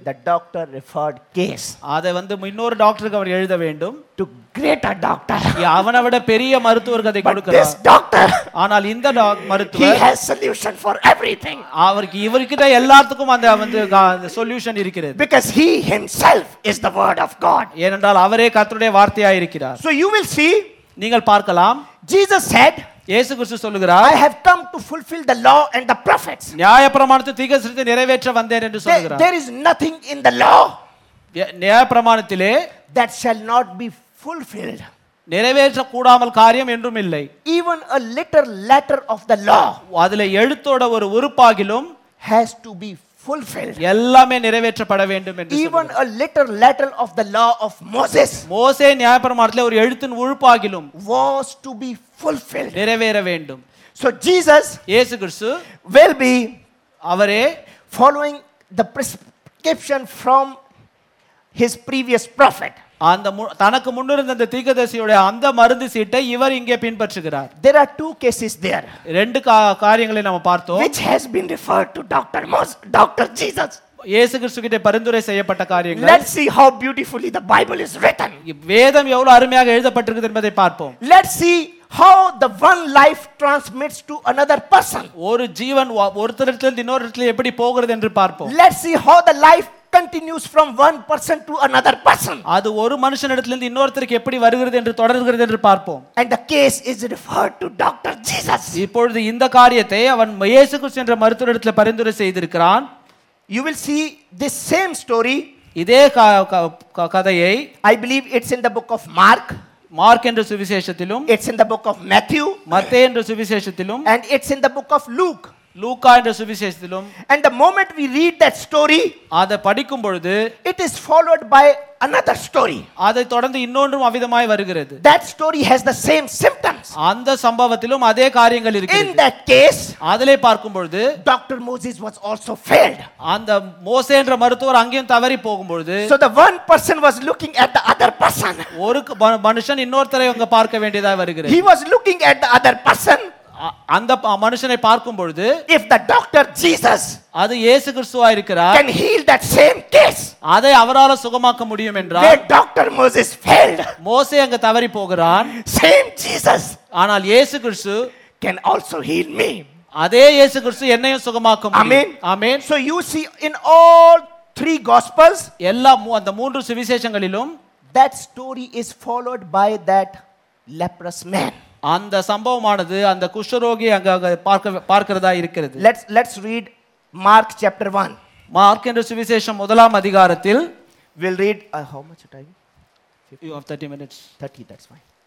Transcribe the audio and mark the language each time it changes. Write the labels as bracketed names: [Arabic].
[English] The doctor referred case. [Tamil] அதை வந்து இன்னொரு டாக்டருக்கு அவர் எழுத வேண்டும். [English] To greater doctor. [Tamil] அவனை விட பெரிய மருத்துவர் கதை கொடுக்கிறார். [English] But this doctor. [Tamil] ஆனால் இந்த மருத்துவர், [English] he has solution for everything. [Tamil] அவருக்கு இவர்கிட்ட எல்லாத்துக்கும் அந்த வந்து சொல்யூஷன் இருக்கிறது. [English] Because he himself is the word of God. [Tamil] ஏனென்றால் அவரே கர்த்தருடைய வார்த்தையாய் இருக்கிறார். [English] So you will see. [Tamil] நீங்கள் பார்க்கலாம். [English] Jesus said. [Tamil] இயேசு கிறிஸ்து சொல்கிறார். [English] I have come to fulfill the law and the prophets. [Tamil] நியாய பிரமாணத்தை தீர்க்கதரிசி நிறைவேற்ற வந்தேன் என்று சொல்கிறார். [English] There is nothing in the law. [Tamil] நியாய பிரமாணத்திலே [English] that shall not be fulfilled. [Tamil] நிறைவேற்ற கூடாமல் காரியம் என்றும் இல்லை. [English] Even a letter letter of the law. [Tamil] அதிலே எழுத்தோட ஒரு உறுப்பாகிலும் [English] has to be fulfilled. [Tamil] எல்லாமே நிறைவேற்றப்பட வேண்டும் என்று. [English] Even a letter letter of the law of Moses. [Tamil] மோசே நியாயப்பிரமாணத்திலே ஒரு எழுத்தின் உறுப்பாகிலும் [English] was to be fulfilled. [Tamil] நிறைவேற வேண்டும். [English] So Jesus, [Tamil] இயேசு கிறிஸ்து [English] will be [Tamil] அவரே [English] following the prescription from his previous prophet. [Tamil] அந்த தனக்கு முன்னிருந்த அந்த தீர்க்கதரிசியோட அந்த மருந்து சீட்டை இவர் இங்கே பின்பற்றுகிறார். [English] There are two cases there. [Tamil] ரெண்டு காரியங்களை நாம பார்த்தோம். [English] Which has been referred to Dr. Moses, Dr. Jesus. [Tamil] இயேசு கிறிஸ்து கிட்ட பரிந்துரை செய்யப்பட்ட காரியங்கள். [English] Let's see how beautifully the Bible is written. [Tamil] வேதம் எவ்வளவு அருமையாக எழுதப்பட்டிருக்கிறது என்பதை பார்ப்போம். [English] Let's see how the one life transmits to another person. [Tamil] ஒரு ஜீவன் ஒருத்தரிடத்திலிருந்து இன்னொருத்தருக்கு எப்படி போகிறது என்று பார்ப்போம். [English] Let's see how the life continues from one person to another person. [Tamil] அது ஒரு மனுஷன் இடத்துல இருந்து இன்னொருத்தருக்கு எப்படி வருகிறது என்று தொடர்கிறது என்று பார்ப்போம். [English] And the case is referred to Dr. Jesus. [Tamil] இப்பொழுது இந்த காரியத்தை அவன் இயேசு கிறிஸ்து என்ற மருத்துவர் இடத்துல பரிந்துரை செய்திருக்கிறான். [English] You will see this same story. [Tamil] இதே கதையை [English] I believe it's in the book of Mark. [Tamil] Mark என்ற சுவிசேஷத்திலும், [English] it's in the book of Matthew. [Tamil] மத்தேயு என்ற சுவிசேஷத்திலும், [English] and it's in the book of Luke. [Tamil] லூக்கா என்ற சுவிசேஷத்திலும். [English] And the moment we read that story, [Tamil] அதை படிக்கும் பொழுது, [English] it is followed by another story. [Tamil] அதை தொடர்ந்து இன்னொன்றும் அவிதமாய் வருகிறது. [English] That story has the same symptoms. [Tamil] அந்த சம்பவத்திலும் அதே காரியங்கள் இருக்கிறது. [English] In that case, [Tamil] அதிலே பார்க்கும் பொழுது, [English] Dr. Moses was also failed. [Tamil] அந்த மோசே என்ற மருத்துவர் அங்கேயும் தவறி போகும் பொழுது, [English] so the one person was looking at the other person. [Tamil] ஒரு மனுஷன் இன்னொருத்தரை அங்க பார்க்க வேண்டியதாய் வருகிறது. [English] He was looking at the other person. [Tamil] அந்த மனுஷனை பார்க்கும் பொழுது, [English] if the doctor Jesus, [Tamil] அது இயேசு கிறிஸ்துவா இருக்கிறார், [English] can heal that same case, [Tamil] அதை அவரால் சுகமாக்க முடியும் என்றால், [English] where Dr. Moses failed, [Tamil] மோசே அங்க தவறி போகிறான், [English] same Jesus, [Tamil] ஆனால் இயேசு கிறிஸ்து, [English] can also heal me, [Tamil] அதே இயேசு கிறிஸ்து என்னையும் சுகமாக்க முடியும். [English] Amen. Amen. So you see in all three gospels, [Tamil] எல்லா அந்த மூன்று சுவிசேஷங்களிலும், [English] that story is followed by that leprous man. [Tamil] அந்த சம்பவமானது அந்த குஷ்டரோகி அங்க பார்க்கிறதா இருக்கிறது. [English] Let's read Mark chapter 1. [Tamil] Mark என்ற சுவிசேஷம் முதலாம் அதிகாரத்தில் [English] we'll read how much time? 50. You have 30 minutes. 30, that's fine.